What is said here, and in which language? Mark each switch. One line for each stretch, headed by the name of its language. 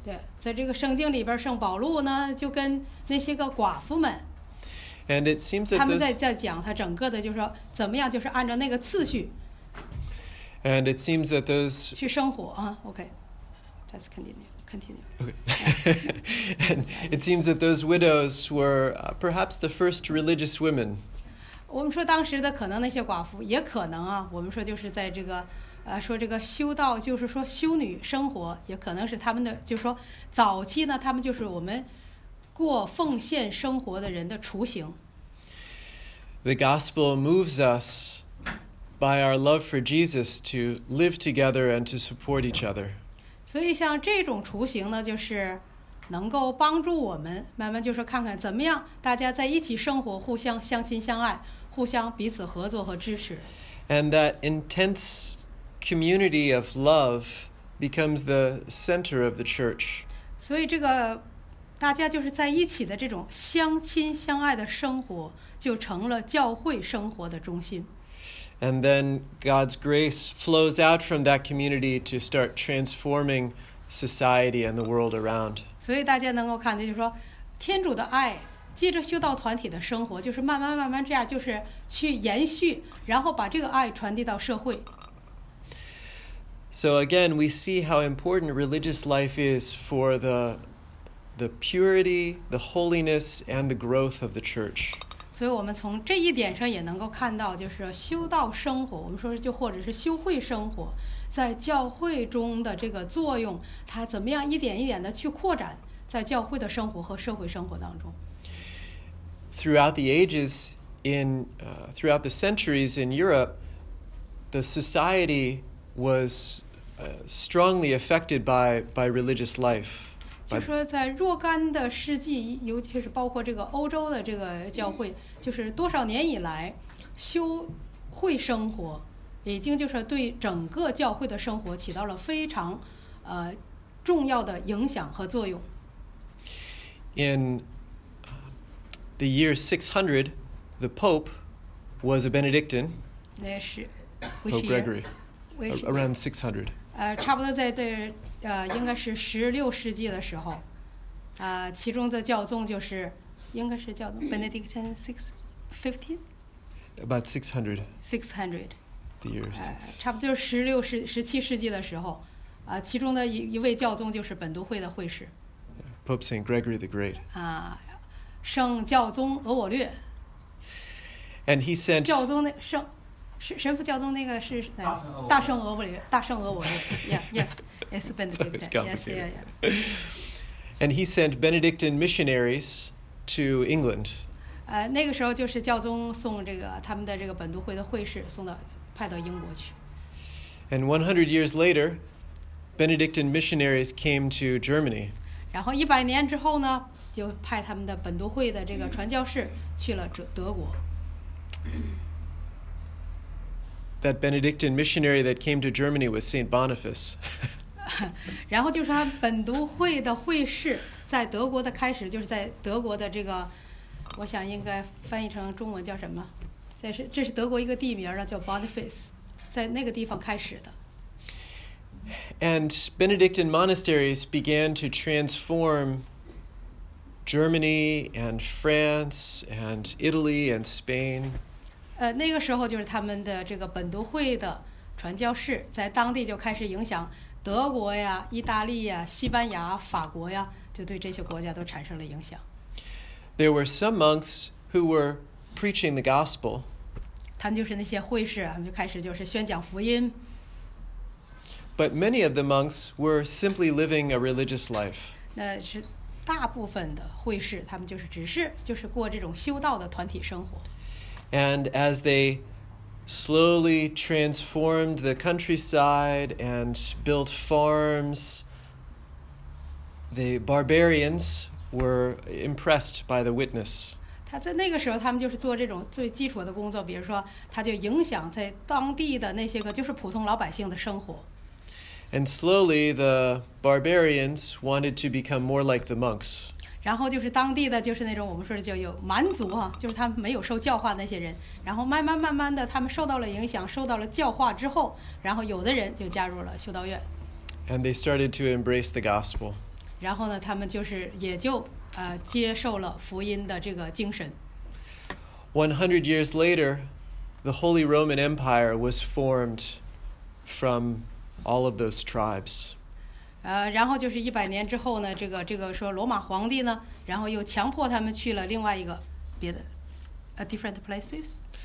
Chinese: 对，在这个圣经里边，圣保禄呢就跟那些个寡妇们。
English: And it seems that
Chinese: 他们在讲他整个的，就是说怎么样，就是按照那个次序。
English: And it seems that those
Chinese: 去生活啊 ，
English: Okay, let's continue. Okay. And it seems that those widows were perhaps the first religious women.
Chinese: 我们说当时的可能那些寡妇也可能啊，我们说就是在这个说这个修道，就是说修女生活，也可能是他们的，就是说早期呢，他们就是我们过奉献生活的人的雏形。
English: The gospel moves us by our love for Jesus to live together and to support each other.
Chinese: 所以像这种雏形呢，就是能够帮助我们慢慢就是看看怎么样大家在一起生活，互相相亲相爱，互相彼此合作和支持。
English: And that intense community of love becomes the center of the church.
Chinese: 所以这个大家就是在一起的这种相亲相爱的生活就成了教会生活的中心。
English: And then God's grace flows out from that community to start transforming society and the world around.
Chinese: 所以大家能够看到，就是说天主的爱借着修道团体的生活，就是慢慢慢慢这样就是去延续，然后把这个爱传递到社会。
English: So again, we see how important religious life is for the purity, the holiness, and the growth of the church.
Chinese: 所以我们从这一点上也能够看到，就是修道生活，我们说就或者是修会生活，在教会中的这个作用，它怎么样一点一点的去扩展在教会的生活和社会生活当中。
English: Throughout the ages, throughout the centuries in Europe, the society was strongly affected by religious life.
Chinese: 就说在若干的世纪，尤其是包括这个欧洲的这个教会，就是多少年以来，修会生活已经就是对整个教会的生活起到了非常重要的影响和作用。
English: In the year 600, the Pope was a Benedictine.
Chinese: 那是
English: Pope Gregory. Around 600.
Chinese: 差不多在对应该是十六世纪的时候，其中的教宗就是应该是叫 Benedictine 615。
English: About 600. 600. The year 6.
Chinese: 差不多就是十七世纪的时候，其中的一位教宗就是本笃会的会士。
English: Pope Saint Gregory the Great.
Chinese: 圣教宗俄我略。
English: And he sent
Chinese: 教宗那圣神父教宗那个是大圣俄我略，大圣俄我略。
English: Yeah, yes, it's Benedictine. So it's complicated. Yes, And he sent Benedictine missionaries to England.
Chinese: 那个时候就是教宗送这个他们的这个本笃会的会士送到派到英国去。
English: And 100 years later, Benedictine missionaries came to Germany.
Chinese: 然后100年之后呢，就派他们的本笃会的这个传教士去了德国。
English: That Benedictine missionary that came to Germany was Saint Boniface.
Chinese: 然后就是他本笃会的会士在德国的开始，就是在德国的这个，我想应该翻译成中文叫什么？这是德国一个地名了，叫 Boniface， 在那个地方开始的。
English: And Benedictine monasteries began to transform Germany and France and Italy and Spain.
Chinese: 那个时候就是他们的这个本笃会的传教士在当地就开始影响德国呀、意大利呀、西班牙、法国呀，就对这些国家都产生了影响。
English: There were some monks who were preaching the gospel.
Chinese: 他们就是那些会士，他们就开始就是宣讲福音。
English: But many of the monks were simply living a religious life.
Chinese: 那是大部分的会士，他们就是只是过这种修道的团体生活。
English: And as they slowly transformed the countryside and built farms, the barbarians were impressed by the witness.
Chinese: 他在那个时候，他们就是做这种最基础的工作，比如说，他就影响在当地的那些个就是普通老百姓的生活。
English: And slowly, the barbarians wanted to become more like the monks.
Chinese: 然后就是当地的就是那种我们说的就有蛮族啊，就是他们没有受教化的那些人。然后慢慢的，他们受到了影响，受到了教化之后，然后有的人就加入了修道院。
English: And they started to embrace the gospel.
Chinese: 然后呢，他们就是也就接受了福音的这个精神。
English: 100 years later, the Holy Roman Empire was formed from. All of those tribes.
Chinese: 然后就是100年之后呢，这个说罗马皇帝呢，然后又强迫他们去了另外一个别的
English: different places.